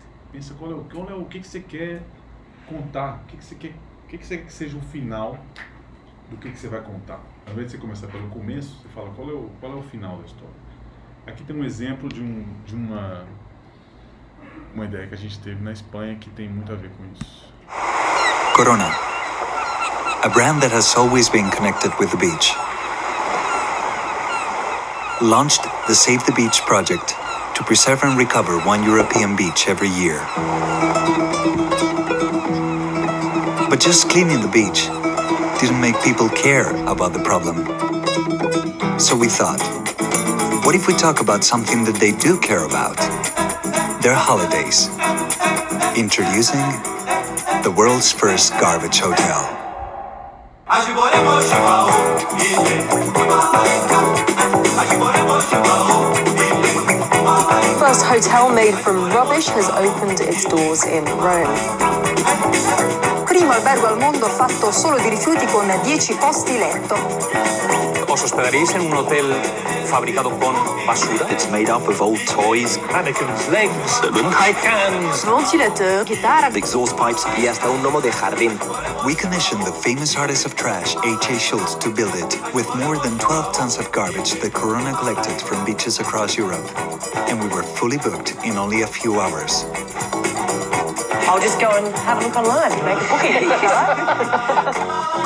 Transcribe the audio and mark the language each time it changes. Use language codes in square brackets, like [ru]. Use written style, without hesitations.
[pt] Pensa qual é o que você quer contar, o que você quer que seja o final do que você vai contar. Ao invés de você começar pelo começo, você fala qual é o final da história. Aqui tem um exemplo de uma ideia que a gente teve na Espanha que tem muito a ver com isso. [en] Corona. A brand that has always been connected with the beach. Launched the Save the Beach project to preserve and recover one European beach every year. But just cleaning the beach didn't make people care about the problem. So we thought, what if we talk about something that they do care about? Their holidays. Introducing the world's first garbage hotel. The first hotel made from rubbish has opened its doors in Rome. [it] Primo albergo al mondo fatto solo di rifiuti con 10 posti letto. [es] Os hospedaréis en un hotel fabricado con basura. [en] It's made up of old toys, mannequins, legs, cans, ventilateurs, guitars, exhaust pipes, [es] y hasta un gnomo de jardín. [en] We commissioned the famous artist of trash, H.A. Schultz, to build it with more than 12 tons of garbage that Corona collected from beaches across Europe. And we were fully booked in only a few hours. I'll just go and have a look online, make a booking.